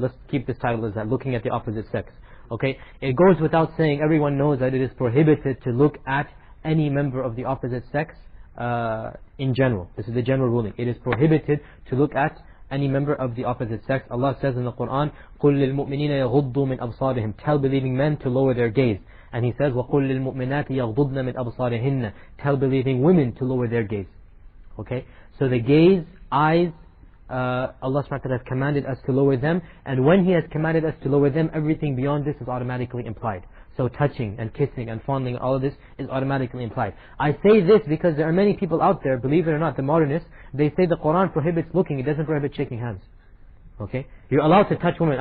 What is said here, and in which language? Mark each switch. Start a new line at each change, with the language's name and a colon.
English: Let's keep this title as that, looking at the opposite sex. Okay, it goes without saying, everyone knows that it is prohibited to look at any member of the opposite sex in general. This is the general ruling. It is prohibited to look at any member of the opposite sex. Allah says in the Quran,
Arabic: قُلْ لِلْمُؤْمِنِينَ يَغُضُّوا مِنْ أَبْصَارِهِمْ.
English: Tell believing men to lower their gaze. And he says,
Arabic: وَقُلْ لِلْمُؤْمِنَاتِ يَغْضُضْنَ مِنْ أَبْصَارِهِنَّ.
English: Tell believing women to lower their gaze. Okay? So the gaze, eyes, Allah subhanahu wa ta'ala has commanded us to lower them. And when He has commanded us to lower them, everything beyond this is automatically implied. So touching and kissing and fondling, all of this is automatically implied. I say this because there are many people out there, believe it or not, the modernists, they say the Quran prohibits looking, it doesn't prohibit shaking hands. Okay? You're allowed to touch women.